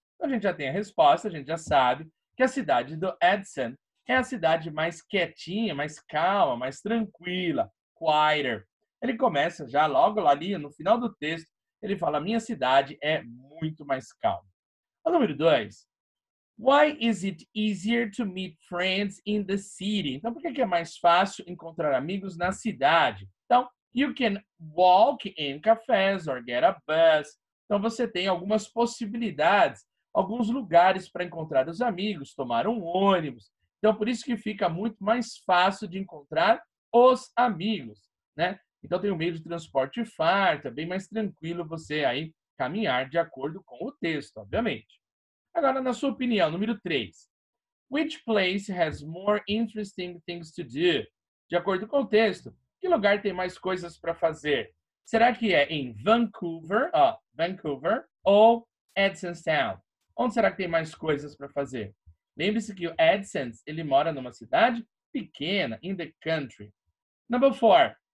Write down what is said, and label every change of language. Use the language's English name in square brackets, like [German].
[Portuguese] Então, a gente já tem a resposta, a gente já sabe que a cidade do Edson é a cidade mais quietinha, mais calma, mais tranquila, quieter. Ele começa já logo ali no final do texto, ele fala, minha cidade é muito mais calma. O número 2, [English] why is it easier to meet friends in the city? [Portuguese] Então, por que é mais fácil encontrar amigos na cidade? [English] Então, you can walk in cafes or get a bus. [Portuguese] Então, você tem algumas possibilidades, alguns lugares para encontrar os amigos, tomar um ônibus. Então, por isso que fica muito mais fácil de encontrar os amigos, né? Então, tem o meio de transporte farta, bem mais tranquilo você aí caminhar de acordo com o texto, obviamente. Agora, na sua opinião, número 3. [English] Which place has more interesting things to do? [Portuguese] De acordo com o texto, que lugar tem mais coisas para fazer? Será que é em Vancouver, Vancouver ou Edsonstown? Onde será que tem mais coisas para fazer? Lembre-se que o Edsons, ele mora numa cidade pequena, [English] in the country. Number 4.